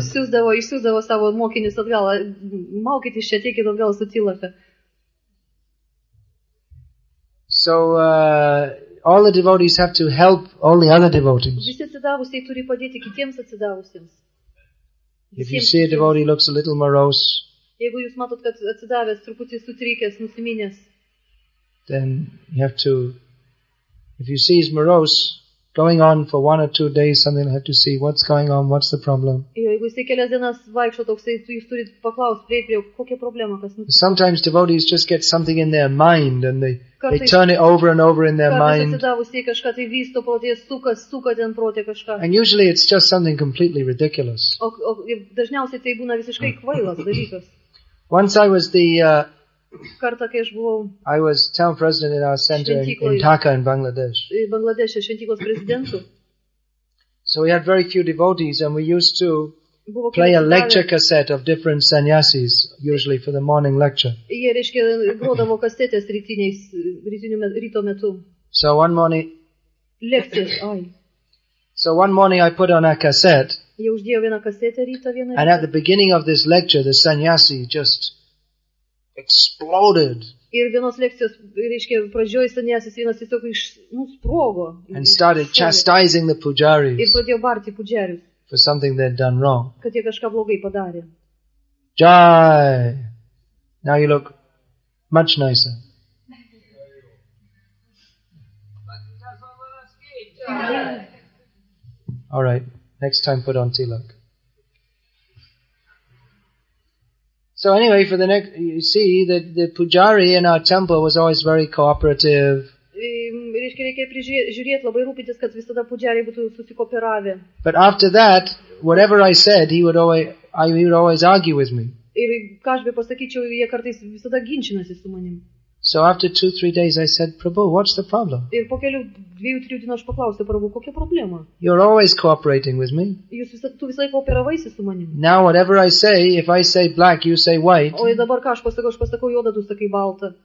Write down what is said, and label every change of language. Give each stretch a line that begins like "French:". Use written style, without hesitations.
Lithuanian: Išsiųsdavo savo mokinius atgal. Maukitės čia, ateikit atgal su tilaka.
English: So all the devotees have to help all the other devotees.
Lithuanian: Visi atsidavusieji turi padėti kitiems atsidavusiems.
English: If you see a devotee looks a little morose,
Lithuanian: jeigu jūs matot, kad atsidavęs truputį sutrikęs, nusiminęs,
English: then you have to, if you see he's morose, going on for one or two days, something, you have to see what's going on, what's the problem.
Lithuanian: Jeigu jis kelias dienas vaikšto toks, jūs turit paklausti, prieit, kokia problema, kas nutiko.
English: Sometimes devotees just get something in their mind and they turn it over and over in their mind. And usually it's just something completely ridiculous.
Lithuanian: O dažniausiai tai būna visiškai kvailas dalykas.
English: Once I was
Lithuanian: kartą, kai aš buvau,
English: I was town president in our center in Dhaka in Bangladesh.
Lithuanian: In Bangladesh, šventyklos prezidentu.
English: So we had very few devotees and we used to play a lecture cassette of different sannyasis, usually for the morning lecture.
Lithuanian: Jie, reiškia, grodavo kasetės ryto metu.
English: So one morning, lectures, ai. So one morning I put on a cassette.
Lithuanian: Jie uždėjo vieną kasetę ryto vieną.
English: And at the beginning of this lecture, the sannyasi just exploded.
Lithuanian: Ir vienos lekcijos, reiškia, pradžioj sannyasis vienas tiesiog sprogo.
English: And started chastising the pujaris.
Lithuanian: Ir pradėjo barti pujarius.
English: For something they'd done wrong.
Lithuanian: Kad jie kažką blogai padarė.
English: Jai! Now you look much nicer. All right, next time put on tilak. So anyway, for the next, you see that the pujari in our temple was always very cooperative. But after that, whatever I said, he would always argue with me.
Lithuanian: Ir kažbe pasakyčiau, jie kartais visada ginčinasi su manim.
English: So after 2-3 days I said, Prabhu, what's the problem?
Lithuanian: Ir po kelių 2-3 dienų aš paklausiau, Prabhu, kokia problema?
English: You're always cooperating with me.
Lithuanian: Jūs visai kooperavaisi su manimi.
English: Now whatever I say, if I say black, you say white.
Lithuanian: O dabar ką aš pasakau juodą, tu sakai baltą.